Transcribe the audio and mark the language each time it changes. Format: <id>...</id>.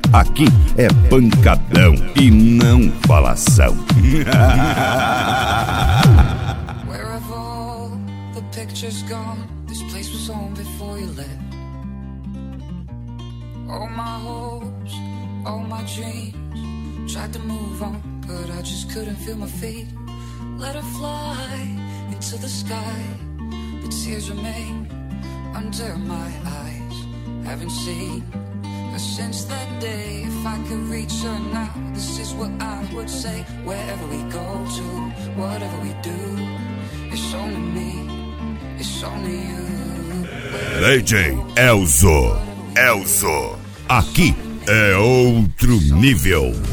<pt>Aqui é pancadão e não falação.</pt> <en>Where have all the pictures gone? This place was home before you left. All my hopes, all my dreams. Tried to move on, but I just couldn't feel my feet. Let her fly into the sky. But tears remain under my eyes. Haven't seen her since that day. If I could reach her now, this is what I would say. Wherever we go to, whatever we do, it's only me, it's only you.</en> <pt>AJ Elzo, Elzo, aqui é outro nível.</pt>